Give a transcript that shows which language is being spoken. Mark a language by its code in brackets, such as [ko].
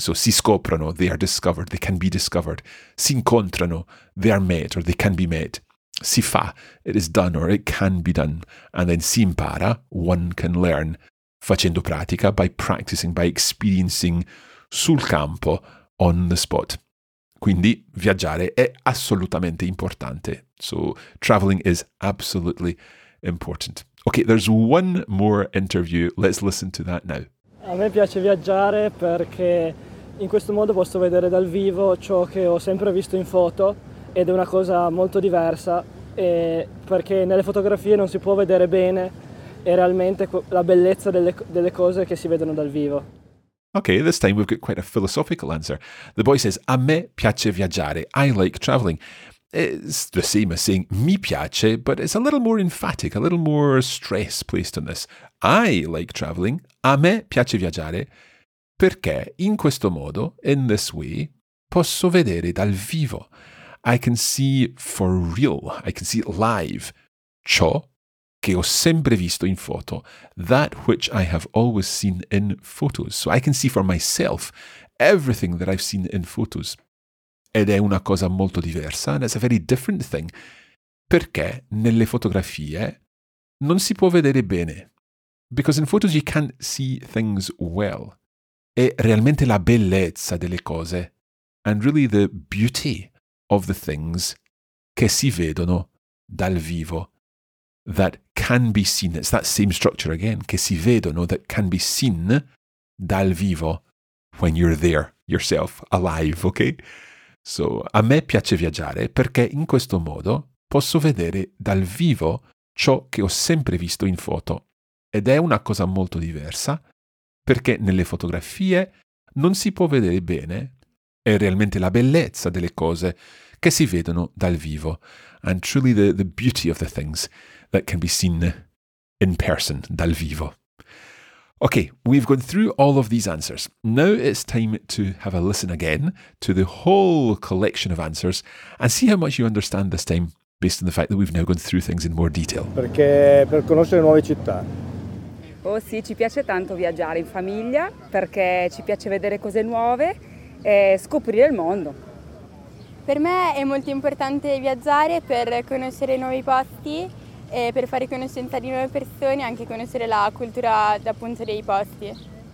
[en] So [it] si scoprono, [en] they are discovered, they can be discovered. [it] Si incontrano, [en] they are met, or they can be met. [it] Si fa, [en] it is done, or it can be done. And then [it] si impara, [en] one can learn. [it] Facendo pratica, [en] by practicing, by experiencing sul campo, on the spot. [it] Quindi, viaggiare è assolutamente importante. [en] So, traveling is absolutely important. Okay, there's one more interview. Let's listen to that now. [it] A me piace viaggiare perché in questo modo posso vedere dal vivo ciò che ho sempre visto in foto ed è una cosa molto diversa perché nelle fotografie non si può vedere bene e realmente la bellezza delle cose che si vedono dal vivo. [en] Okay, this time we've got quite a philosophical answer. The boy says, [it] a me piace viaggiare, [en] I like travelling. It's the same as saying mi piace, but it's a little more emphatic, a little more stress placed on this. I like travelling, [it] a me piace viaggiare, perché in questo modo, [en] in this way, [it] posso vedere dal vivo. [en] I can see for real, I can see live, [it] ciò che ho sempre visto in foto, [en] that which I have always seen in photos. So I can see for myself everything that I've seen in photos. [it] Ed è una cosa molto diversa, [en] and it's a very different thing, [it] perché nelle fotografie non si può vedere bene. [en] Because in photos you can't see things well. [it] E realmente la bellezza delle cose, [en] and really the beauty of the things [it] che si vedono dal vivo, [en] that can be seen. It's that same structure again, [it] che si vedono, [en] that can be seen dal vivo, when you're there yourself, alive, okay? [it] So, a me piace viaggiare perché in questo modo posso vedere dal vivo ciò che ho sempre visto in foto. Ed è una cosa molto diversa, perché nelle fotografie non si può vedere bene, è realmente la bellezza delle cose che si vedono dal vivo. [en] And truly the beauty of the things that can be seen in person, dal vivo. Okay, we've gone through all of these answers. Now it's time to have a listen again to the whole collection of answers and see how much you understand this time based on the fact that we've now gone through things in more detail. [it] Perché per conoscere nuove città. Oh sì, ci piace tanto viaggiare in famiglia perché ci piace vedere cose nuove e scoprire il mondo. Per me è molto importante viaggiare per conoscere nuovi posti e per fare conoscenza di nuove persone e anche conoscere la cultura appunto dei posti.